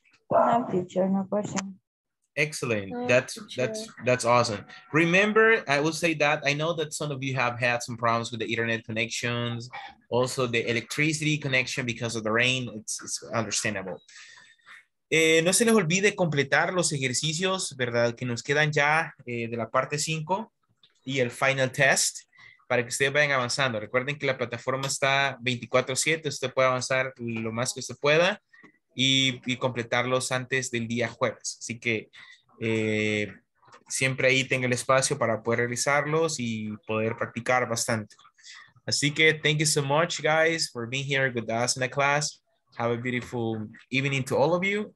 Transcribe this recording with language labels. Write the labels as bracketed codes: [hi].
[en] No, teacher, no question. Excellent. That's awesome. Remember, I will say that I know that some of you have had some problems with the internet connections, also the electricity connection because of the rain. It's understandable. [es] No se les olvide completar los ejercicios, ¿verdad? Que nos quedan ya de la parte 5 y el final test para que ustedes vayan avanzando. Recuerden que la plataforma está 24/7, usted puede avanzar lo más que usted pueda y completarlos antes del día jueves. Así que siempre ahí tenga el espacio para poder realizarlos y poder practicar bastante. Así que [en] thank you so much, guys, for being here with us in the class. Have a beautiful evening to all of you.